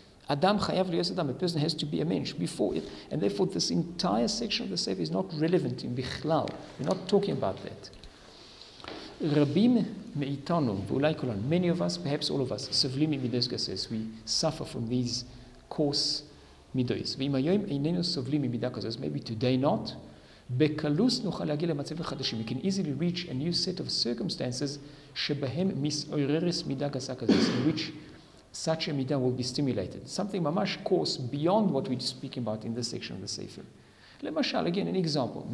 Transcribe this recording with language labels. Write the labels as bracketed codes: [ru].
[he] אדם חייב להיות אדם, [en] a person has to be a mensch before it. And therefore this entire section of the Sefer is not relevant in בכלל. We're not talking about that. [he] רבים מאיתנו, ואולי כולן, [en] many of us, perhaps all of us, [he] סבלים ממידס גסס. [en] We suffer from these coarse midos. [he] ואם היום איננו סובלים ממידה כזאת, [en] maybe today not, [he] בקלוס נוכל להגיע למצב החדשים. [en] We can easily reach a new set of circumstances [he] שבהם מסעוררס מידה גסה כזאת, [en] in which such a midah will be stimulated. Something ממש coarse beyond what we're speaking about in this section of the Sefer. למשל, again, an example.